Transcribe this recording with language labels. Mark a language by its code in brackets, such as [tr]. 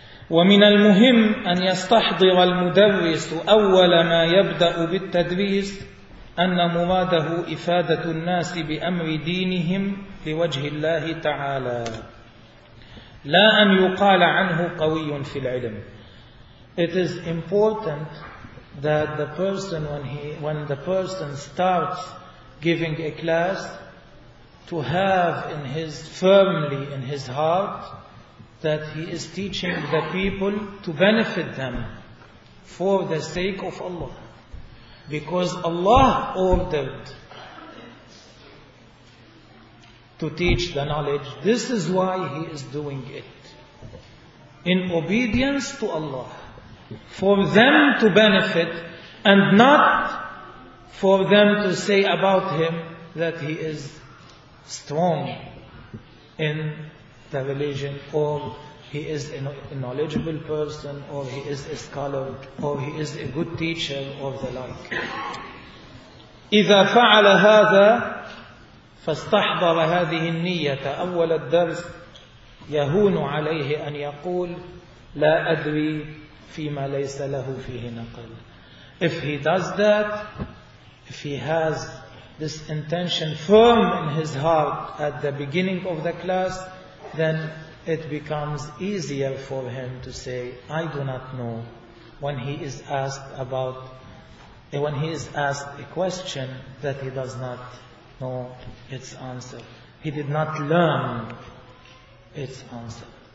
[ar] ومن المهم أن يستحضر المدرس أول ما يبدأ بالتدريس أن مراده إفادة الناس بأمر دينهم لوجه الله تعالى, لا أن يقال عنه قوي في العلم. [en] It is important that the person, when the person starts giving a class, to have in his firmly in his heart that he is teaching the people to benefit them for the sake of Allah, because Allah ordered to teach the knowledge. This is why he is doing it, in obedience to Allah, for them to benefit and not for them to say about him that he is strong in the religion, or he is a knowledgeable person, or he is a scholar, or he is a good teacher, or the like. [ar] إِذَا فَعَلَ هَذَا فَاسْتَحْضَرَ هَذِهِ النِّيَّةَ أَوَّلَ الدَّرْسِ يَهُونُ عَلَيْهِ أَنْ يَقُولَ لَا أَدْرِي فيما ليس له فيه نقل. [en] If he does that, if he has this intention firm in his heart at the beginning of the class, then it becomes easier for him to say, I do not know, when he is asked about, when he is asked a question that he does not know its answer. He did not learn its answer.